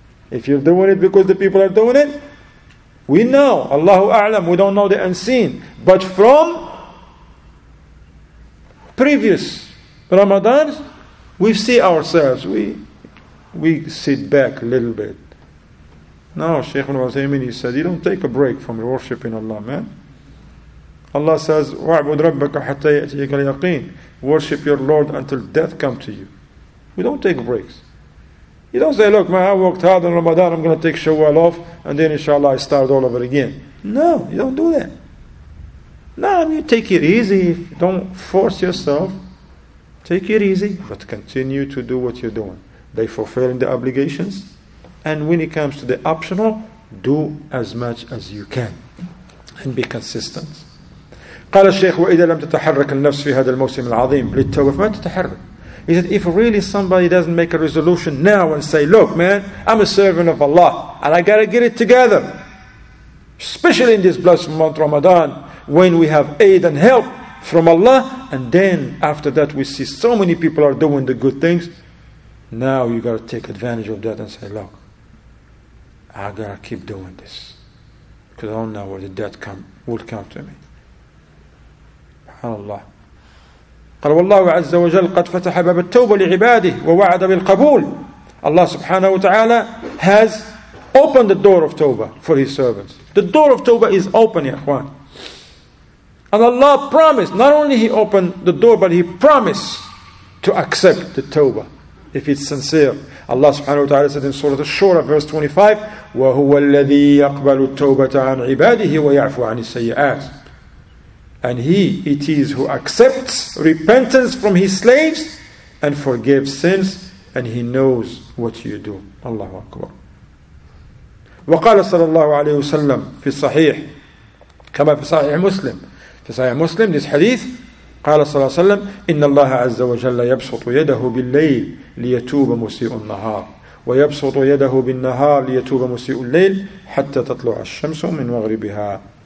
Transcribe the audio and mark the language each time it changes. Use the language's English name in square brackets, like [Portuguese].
[English] If you're doing it because the people are doing it, we know, Allahu A'lam, we don't know the unseen. But from previous Ramadans, we see ourselves, we sit back a little bit. Now, Shaykh ibn Uthaymeen, he said, you don't take a break from worshipping Allah, man. Allah says, [Arabic] وَعْبُدْ رَبَّكَ حَتَّى يَأْتِيكَ الْيَقِينَ. [English] Worship your Lord until death comes to you. We don't take breaks. You don't say, look, man, I worked hard in Ramadan, I'm going to take Shawwal off, and then inshallah I start all over again. No, you don't do that. No, you take it easy. Don't force yourself. Take it easy, but continue to do what you're doing. They fulfilling the obligations. And when it comes to the optional, do as much as you can. And be consistent. [Arabic] قال الشيخ وإذا لم تتحرك النفس في هذا الموسم العظيم للتوبة فما تتحرك. [English] He said, if really somebody doesn't make a resolution now and say, look, man, I'm a servant of Allah, and I got to get it together, especially in this blessed month, Ramadan, when we have aid and help from Allah, and then after that we see so many people are doing the good things, now you got to take advantage of that and say, look, I got to keep doing this, because I don't know where the death will come to me. Subhanallah. [Arabic] قال والله عز وجل قد فتح باب التوبة لعباده ووعد بالقبول. [English] Allah subhanahu wa ta'ala has opened the door of tawbah for his servants. The door of tawbah is open, ya ikhwan. And Allah promised, not only he opened the door, but he promised to accept the tawbah if it's sincere. Allah subhanahu wa ta'ala said in Surah Ash-Shura, verse 25, [Arabic] وَهُوَ الَّذِي يَقْبَلُ التَّوْبَةَ عَنْ عِبَادِهِ وَيَعْفُ عَنِ السَّيِّئَاتِ. [English] And he, it is who accepts repentance from his slaves and forgives sins, and he knows what you do. Allahu Akbar. [Arabic] وقال صلى الله عليه وسلم في الصحيح كما في صحيح مسلم. في صحيح مسلم, [English] this hadith, [Arabic] قال صلى الله عليه وسلم, إن الله عز وجل يبسط يده بالليل ليتوب مسيء النهار ويبسط يده بالنهار ليتوب مسيء الليل حتى تطلع الشمس من مغربها.